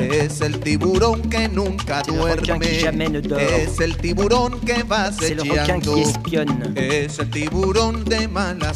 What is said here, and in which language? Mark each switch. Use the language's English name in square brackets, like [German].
[Spanish] Es el tiburón que nunca duerme. [French] C'est le requin qui jamais ne dort. [Spanish] Es el tiburón que va sellando. [French] C'est le requin qui espionne. [Spanish] Es el tiburón de mala suerte.